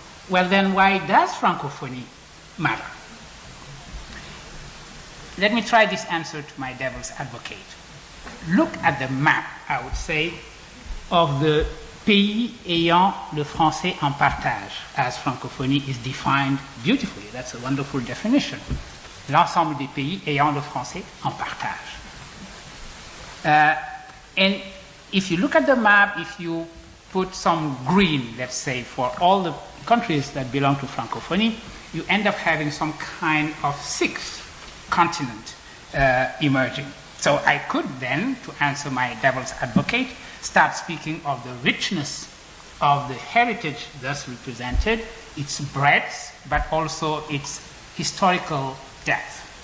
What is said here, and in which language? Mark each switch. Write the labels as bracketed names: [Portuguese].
[English] Well, then, why does francophonie matter? Let me try this answer to my devil's advocate. Look at the map, I would say, of the [French] pays ayant le français en partage, [English] as francophonie is defined beautifully. That's a wonderful definition. [French] L'ensemble des pays ayant le français en partage. [English] And if you look at the map, if you put some green, let's say, for all the countries that belong to francophonie, you end up having some kind of sixth continent emerging. So I could then, to answer my devil's advocate, start speaking of the richness of the heritage thus represented, its breadth, but also its historical depth.